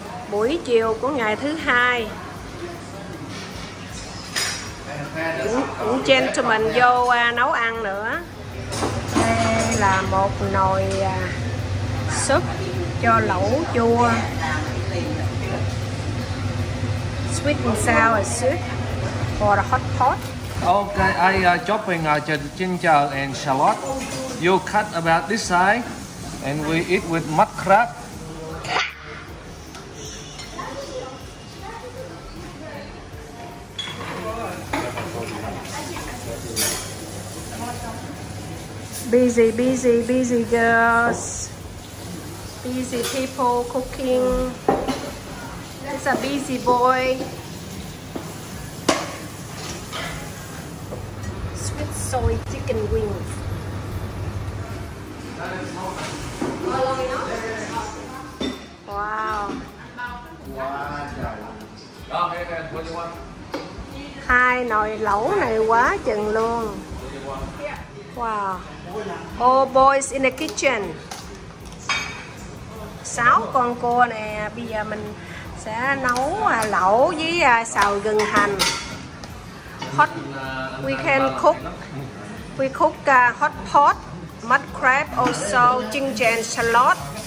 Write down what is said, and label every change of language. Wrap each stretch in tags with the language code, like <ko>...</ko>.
<vi>Buổi chiều của ngày thứ hai, cũng gentleman vô nấu ăn nữa. Đây là một nồi súp cho lẩu chua,</vi> <en>sweet and sour soup for the hot pot. Okay, I chopping ginger and shallot. You cut about this size, and we eat with mud crab. Busy, busy, busy girls. Busy people cooking. That's a busy boy. Sweet soy chicken wings. Wow.</en> <vi>Hai nồi lẩu này quá chừng luôn. Wow.</vi> <en>All boys in the kitchen.</en> <vi>6 con cua nè. Bây giờ mình sẽ nấu lẩu với xào gừng hành.</vi> <en>Hot. We can cook. We cook hot pot, mud crab, also ginger and shallot.</en>